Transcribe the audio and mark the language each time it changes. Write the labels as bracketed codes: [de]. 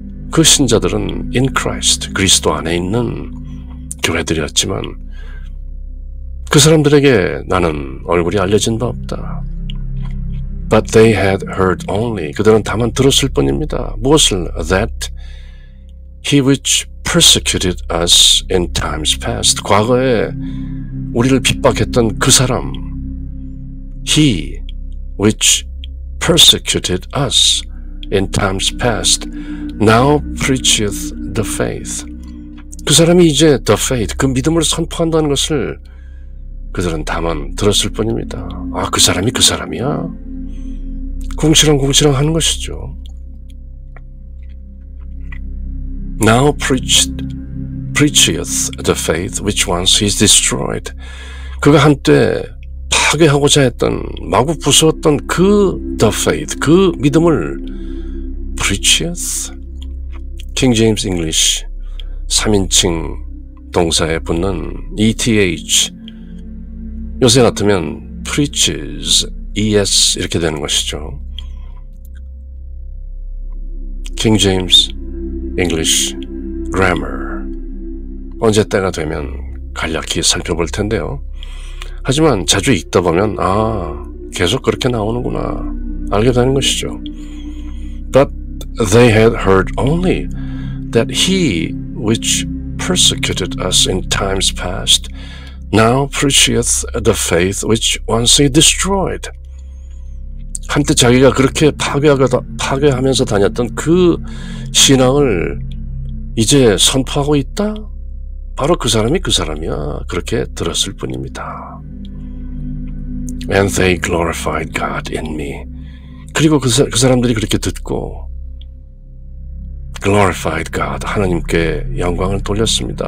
[ko] 그 신자들은 [en] in Christ. [ko] 그리스도 안에 있는 교회들이었지만 그 사람들에게 나는 얼굴이 알려진 바 없다. [en] But they had heard only. [ko] 그들은 다만 들었을 뿐입니다. 무엇을? [en] That he which persecuted us in times past. [ko] 과거에 우리를 핍박했던 그 사람. [en] He which persecuted us in times past now preacheth the faith. [ko] 그 사람이 이제 [en] the faith, [ko] 그 믿음을 선포한다는 것을 그들은 다만 들었을 뿐입니다. 아, 그 사람이 그 사람이야? 궁시렁궁시렁 하는 것이죠. [en] Now preacheth the faith which once he's destroyed. [ko] 그가 한때 파괴하고자 했던, 마구 부수었던 그 [en] the faith, [ko] 그 믿음을 [en] preacheth. [ko] King James English 3인칭 동사에 붙는 eth. 요새 같으면 preaches, es 이렇게 되는 것이죠. [en] King James English Grammar. [ko] 언제 때가 되면 간략히 살펴볼 텐데요. 하지만 자주 읽다 보면 아, 계속 그렇게 나오는구나 알게 되는 것이죠. [en] But they had heard only that he which persecuted us in times past now preacheth the faith which once he destroyed. [ko] 한때 자기가 그렇게 파괴하면서 다녔던 그 신앙을 이제 선포하고 있다? 바로 그 사람이 그 사람이야. 그렇게 들었을 뿐입니다. [en] And they glorified God in me. [ko] 그리고 그 사람들이 그렇게 듣고 [en] glorified God, [ko] 하나님께 영광을 돌렸습니다.